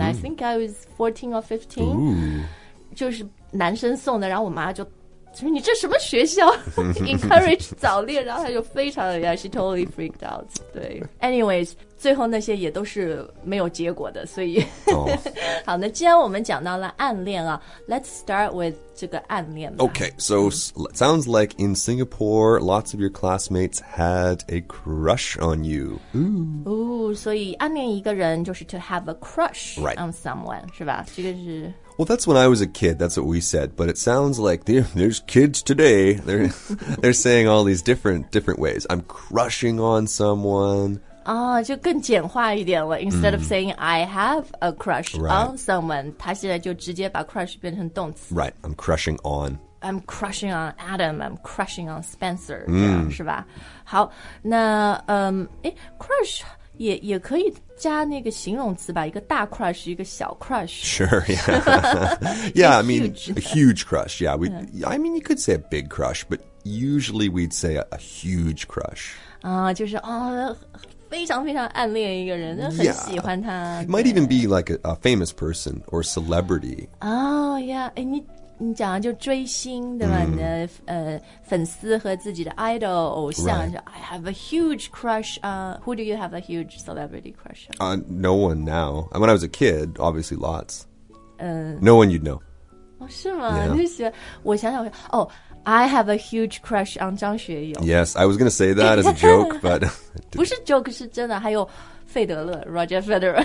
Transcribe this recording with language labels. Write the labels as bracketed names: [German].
[English] mm. I think I was 14 or 15. [Chinese] 就是男生送的，然后我妈就说你这什么学校encourage 早恋，然后她就非常的 yeah, [English] she totally freaked out, [Chinese] 对 anyways, 最后那些也都是没有结果的，所以、 oh. 好，那既然我们讲到了暗恋啊， [English] let's start with [Chinese] 这个暗恋吧。 [English] Okay, so sounds like in Singapore, lots of your classmates had a crush on you. [Chinese] Ooh, 所以暗恋一个人就是 [English] to have a crush、 right. on someone, [Chinese] 是吧，这个是 [English] Well, that's when I was a kid, that's what we said, but it sounds like there's kids today, they're saying all these different ways. I'm crushing on someone. 哦、oh, [Chinese] 就更简化一点了 [English] instead、mm. of saying I have a crush、 right. [Chinese] on someone, 他现在就直接把 crush 变成动词。 [English] Right, I'm crushing on Adam, I'm crushing on Spencer,、 mm. [Chinese] 是吧？好，那、crush... 也可以加那个形容词吧，一个大 crush, 一个小 crush. [English] Sure, yeah. Yeah, I mean, a huge crush, yeah. We, yeah. I mean, you could say a big crush, but usually we'd say a huge crush. [Chinese] 啊、就是哦、非常非常暗恋一个人，很喜欢他。 [English] Yeah. Might even be like a famous person or celebrity. Oh, yeah. [Chinese] 你讲的就追星对吧、mm. 粉丝和自己的 idol 偶像、 [English] right. 就 I have a huge crush on, who do you have a huge celebrity crush on? No one now. When I was a kid, obviously lots. No one you'd know. [Chinese] 是吗、 [English] yeah. [Chinese] 就喜欢我想想哦 [English] I have a huge crush on [Chinese] 张学友。 [English] Yes, I was going to say that as a joke, but [Chinese] 不是 joke, 是真的，还有费德勒 Roger Federer、